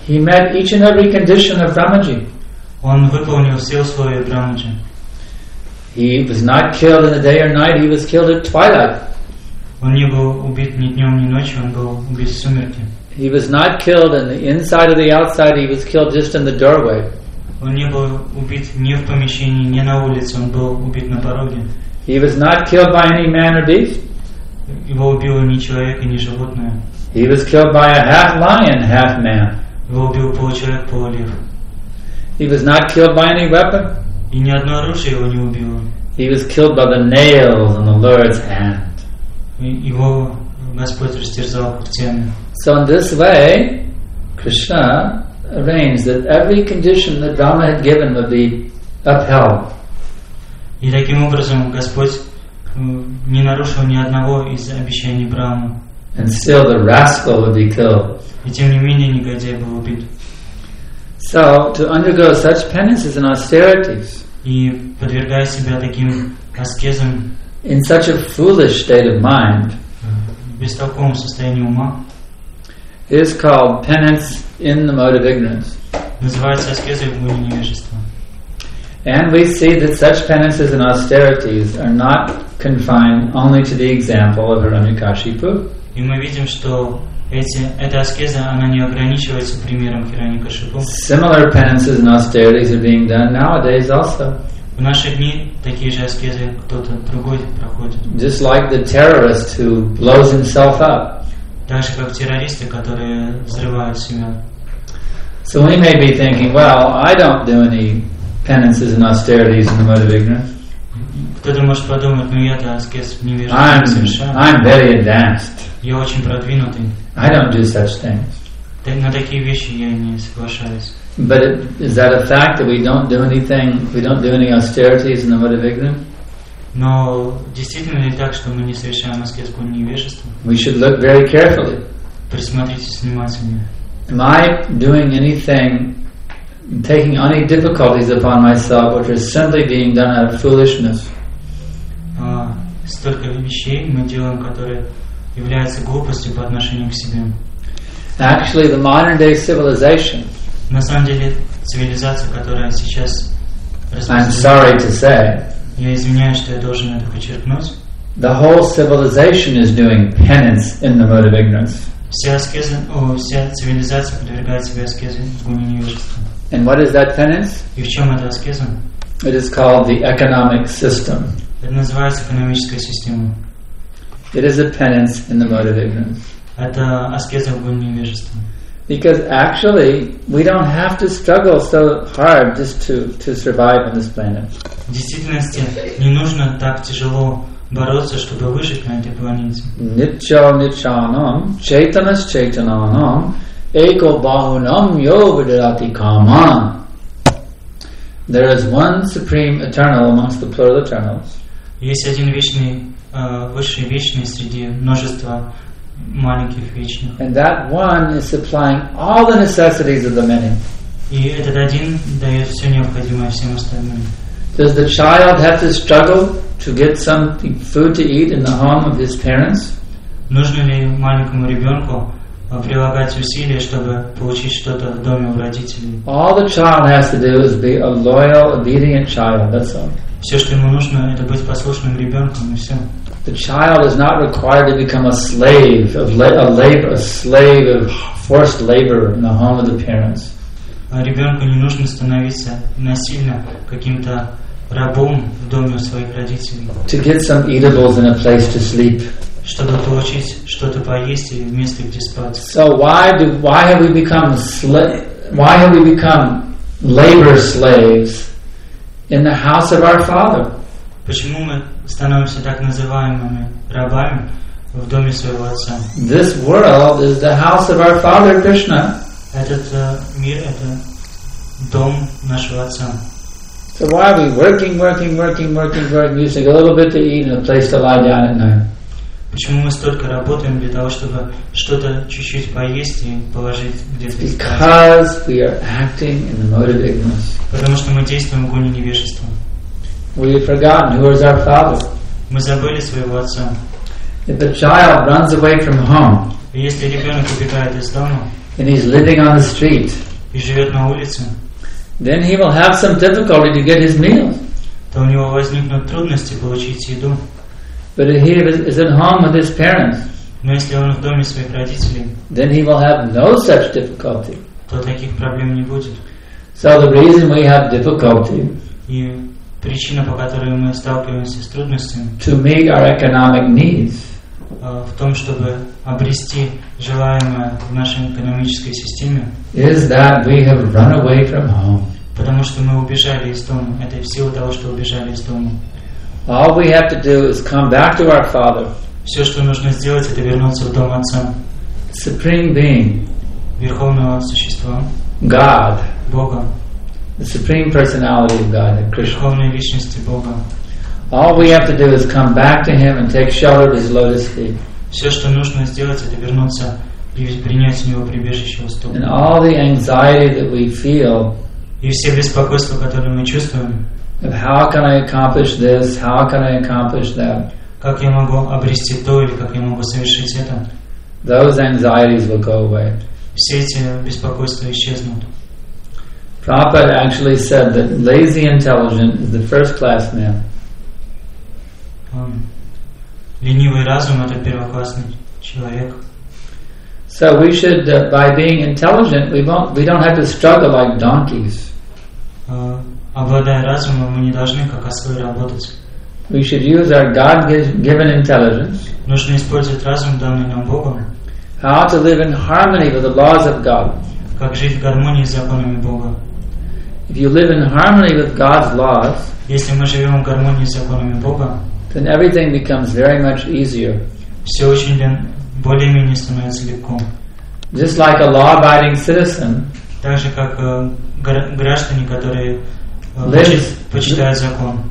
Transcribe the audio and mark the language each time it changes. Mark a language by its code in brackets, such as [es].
[en] He met each and every condition of Brahmaji. [ru] Он выполнил все условия Брахмаджи. [en] He was not killed in the day or night, he was killed at twilight. [ru] Он не был убит ни днем, ни ночью, он был убит в сумерки. [en] He was not killed in the inside or the outside, he was killed just in the doorway. [ru] Он не был убит ни в помещении, ни на улице, он был убит на пороге. [en] He was not killed by any man or beast. [ru] Его убило ни человек, ни животное. [en] He was killed by a half lion, half man. [ru] Его убил получеловек, полулев. [en] He was not killed by any weapon. [ru] И ни одно оружие его не убило. [en] He was killed by the nails on the Lord's hand. [ru] Его Господь растерзал когтями. [en] So in this way, Krishna arranged that every condition that Rama had given would be upheld. [ru] И таким образом Господь не нарушил ни одного из обещаний Брахмы. [en] And still the rascal would be killed. [ru] И тем не менее негодяй был убит. [en] So to undergo such penances and austerities. [ru] И подвергая себя таким аскезам. [en] In such a foolish state of mind. [ru] В бестолковом состоянии ума. [en] Is called penance in the mode of ignorance. [ru] Называется аскеза в мире невежества. [en] And we see that such penances and austerities are not confined only to the example of Hiranyakashipu. [ru] И мы видим, что эта аскеза, она не ограничивается примером Хираньякашипу. [en] Similar penances and austerities are being done nowadays also. [ru] В наши дни такие же аскезы кто-то другой проходит. [en] Just like the terrorist who blows himself up. [ru] Так же, как террористы, которые взрывают себя. [en] So we may be thinking, well, I don't do any penances and austerities in the mode of ignorance. [ru] Кто-то может подумать, ну я-то аскез невежественный совершенно. [en] I'm very advanced. [ru] Я очень продвинутый. [en] I don't do such things. [ru] На такие вещи я не соглашаюсь. [en] But is that a fact that we don't do anything, we don't do any austerities in the mode of ignorance? [ru] Но действительно ли так, что мы не совершаем аскезку невежества? [en] We should look very carefully. [ru] Присмотритесь внимательно. [en] Am I doing anything, taking any difficulties upon myself, which is simply being done out of foolishness? [ru] Столько вещей мы делаем, которые являются глупостью по отношению к себе. [en] Actually, the modern day civilization. [ru] На самом деле, цивилизация, которая сейчас. [en] I'm sorry to say. [ru] Я извиняюсь, что я должен это подчеркнуть. [en] The whole civilization is doing penance in the mode of ignorance. [ru] Вся цивилизация подвергает себя аскезе в гуне невежества. [en] And what is that penance? [ru] И в чем это аскеза? [en] It is called the economic system. [ru] Это называется экономическая система. [en] It is a penance in the mode of ignorance. [ru] Это аскеза в гуне невежества. [en] Because actually, we don't have to struggle so hard just to survive on this planet. [ru] В действительности, не нужно так тяжело бороться, чтобы выжить на этой планете. [sa] Ничо ничанам, чайтанас чайтананам, эко бахунам йо видирати каман. [en] There is one supreme eternal amongst the plural eternals. [ru] Есть один вечный, высший вечный среди множества маленьких вечных. [en] And that one is supplying all the necessities of the many. [ru] И этот один дает все необходимое всем остальным. [en] Does the child have to struggle to get some food to eat in the home of his parents? [ru] Нужно ли маленькому ребенку прилагать усилия, чтобы получить что-то в доме у родителей? [en] All the child has to do is be a loyal, obedient child. That's all. [ru] Все, что ему нужно, это быть послушным ребенком, и все. [en] The child is not required to become a slave of a slave of forced labor in the home of the parents. [ru] Ребенку не нужно становиться насильно каким-то рабом в доме у своих родителей. [en] To get some eatables and a place to sleep. [ru] Чтобы получить что-то поесть и место, где спать. [en] So why have we become labor slaves in the house of our father? [ru] Почему мы становимся так называемыми рабами в доме своего отца? [en] This world is the house of our father Krishna. [ru] Этот мир — это дом нашего отца. [en] So why are we working, using a little bit to eat and a place to lie down at night? [ru] Почему мы столько работаем для того, чтобы что-то чуть-чуть поесть и положить где-то спать? [en] Because we are acting in the mode of ignorance. [ru] Потому что мы действуем в гоне невежества. [en] We have forgotten who is our father. [ru] Мы забыли своего отца. [en] If the child runs away from home. [ru] И если ребенок убегает из дома. [en] And he's living on the street. [ru] И живет на улице. [en] Then he will have some difficulty to get his meals. [ru] То у него возникнут трудности получить еду. [en] But if he is at home with his parents. [ru] Но если он в доме своих родителей. [en] Then he will have no such difficulty. [ru] То таких проблем не будет. [en] So the reason we have difficulty. [ru] И причина, по которой мы сталкиваемся с трудностями. [en] To meet our economic needs. [ru] В том, чтобы обрести желаемое в нашей экономической системе. [en] Is that we have run away from home. [ru] Потому что мы убежали из дома. Это в силу того, что убежали из дома. [en] All we have to do is come back to our father. [ru] Все, что нужно сделать, это вернуться в дом отца. [en] Supreme being. [ru] верховного существа, [en] God, [ru] Бога, [en] the Supreme Personality of God, the Krishna, [ru] верховной личности Бога. [en] All we have to do is come back to Him and take shelter of His lotus feet. [ru] Все, что нужно сделать, это вернуться и принять у него прибежище у стоп. [en] And all the anxiety that we feel. [ru] И все беспокойства, которые мы чувствуем. [en] Of how can I accomplish this? How can I accomplish that? [ru] Как я могу обрести то или как я могу совершить это? [en] Those anxieties will go away. [ru] Все эти беспокойства исчезнут. [en] Prabhupada actually said that lazy intelligent is the first class man. [ru] Ленивый разум — это первоклассный человек. [en] So we should, by being intelligent, we don't have to struggle like donkeys. [ru] Обладая разумом, мы не должны как ослы работать. [en] We should use our God-given intelligence. [ru] Нужно использовать разум, данный нам Богом. [en] How to live in harmony with the laws of God. [ru] Как жить в гармонии с законами Бога. [en] If you live in harmony with God's laws, [ru] если мы живем в гармонии с законами Бога, [en] then everything becomes very much easier. [ru] Все очень более-менее становится легко. [en] Just like a law-abiding citizen, [ru] так же как граждане, которые почитают закон,